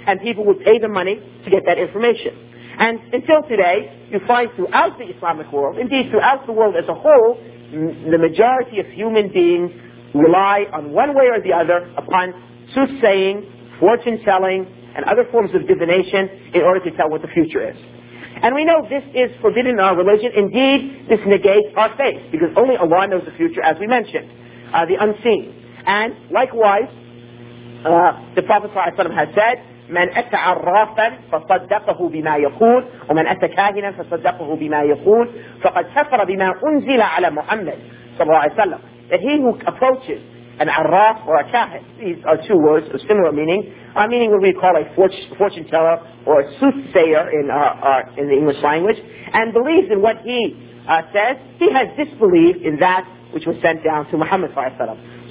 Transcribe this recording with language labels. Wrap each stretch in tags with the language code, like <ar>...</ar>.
<en>And people would pay the money to get that information. And until today, you find throughout the Islamic world, indeed throughout the world as a whole, the majority of human beings rely on one way or the other upon soothsaying, fortune-telling, and other forms of divination in order to tell what the future is. And we know this is forbidden in our religion. Indeed, this negates our faith, because only Allah knows the future, as we mentioned, the unseen. And likewise, the Prophet ﷺ has said,</en> <ar>مَنْ أَتَعَ الرَّافًا فَصَدَّقَهُ بِمَا يَقُولُ وَمَنْ أَتَ كَاهِنًا فَصَدَّقَهُ بِمَا يَقُولُ فَقَدْ كَفَرَ بِمَا أُنزِلَ عَلَى مُحَمَّدٍ ﷺ.</ar> <en>That he who approaches an arraf or a kahin, these are two words of similar meaning, meaning what we call a fortune teller or a soothsayer in the English language, and believes in what he says, he has disbelieved in that which was sent down to Muhammad sallallahu alaihi wasallam.</en>